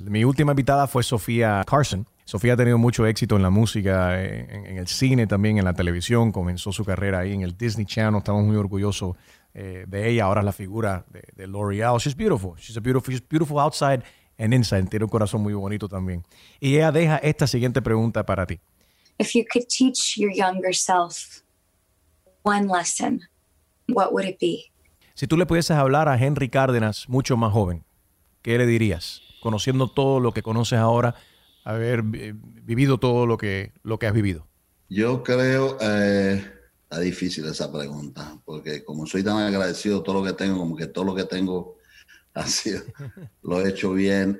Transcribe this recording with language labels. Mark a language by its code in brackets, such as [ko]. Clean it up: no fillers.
[es] Mi última invitada fue Sofía Carson. Sofía ha tenido mucho éxito en la música, en el cine también, en la televisión. Comenzó su carrera ahí en el Disney Channel. Estamos muy orgullosos de ella. Ahora es la figura de L'Oreal. [en] She's beautiful. She's beautiful outside and inside. [es] Tiene un corazón muy bonito también. Y ella deja esta siguiente pregunta para ti. [en] If you could teach your younger self one lesson, what would it be? [es] Si tú le pudieses hablar a Henry Cárdenas mucho más joven, ¿qué le dirías? Conociendo todo lo que conoces ahora, haber vivido todo lo que has vivido. Yo creo, está difícil esa pregunta, porque como soy tan agradecido todo lo que tengo, como que todo lo que tengo ha sido, lo he hecho bien.